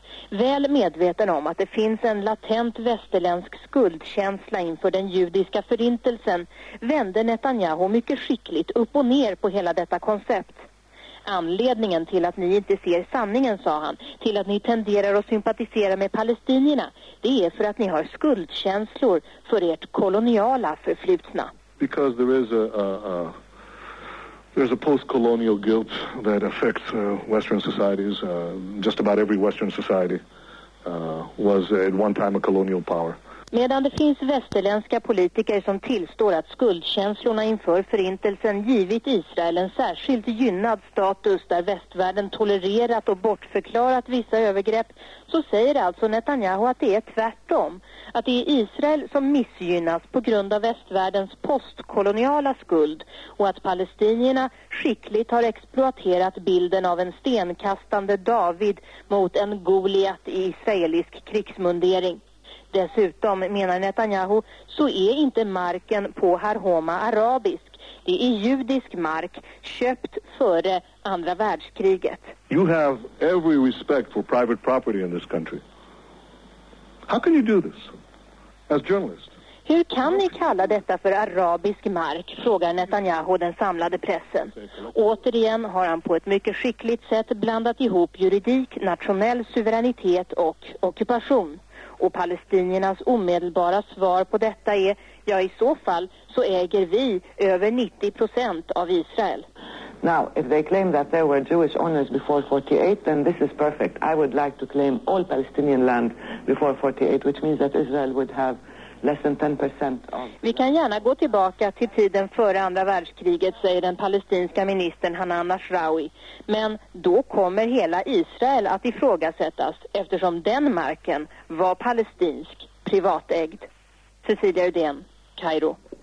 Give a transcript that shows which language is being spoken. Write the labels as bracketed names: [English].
[Swedish] väl medveten om att det finns en latent västerländsk skuldkänsla inför den judiska förintelsen, vände Netanyahu mycket skickligt upp och ner på hela detta koncept. Anledningen till att ni inte ser sanningen, sa han, till att ni tenderar att sympatisera med palestinierna, det är för att ni har skuldkänslor för ert koloniala förflutna. [English] Because there is there's a post-colonial guilt that affects Western societies. Just about every Western society was at one time a colonial power. [Swedish] Medan det finns västerländska politiker som tillstår att skuldkänslorna inför förintelsen givit Israel en särskilt gynnad status där västvärlden tolererat och bortförklarat vissa övergrepp, så säger alltså Netanyahu att det är tvärtom. Att det är Israel som missgynnas på grund av västvärldens postkoloniala skuld och att palestinierna skickligt har exploaterat bilden av en stenkastande David mot en Goliat i israelisk krigsmundering. Dessutom, menar Netanyahu, så är inte marken på Har Homa arabisk. Det är judisk mark köpt före andra världskriget. [English] You have every respect for private property in this country. How can you do this as journalist? [Swedish] Hur kan ni kalla detta för arabisk mark, frågar Netanyahu den samlade pressen. Återigen har han på ett mycket skickligt sätt blandat ihop juridik, nationell suveränitet och ockupation. Och palestiniernas omedelbara svar på detta är, ja, i så fall så äger vi över 90% av Israel. [English] Now, if they claim that there were Jewish owners before 48, then this is perfect. I would like to claim all Palestinian land before 48, which means that Israel would have less than 10% of... [Swedish] Vi kan gärna gå tillbaka till tiden före andra världskriget, säger den palestinska ministern Hanan Ashrawi. Men då kommer hela Israel att ifrågasättas eftersom den marken var palestinsk, privatägd. Cecilia Udén, Kairo.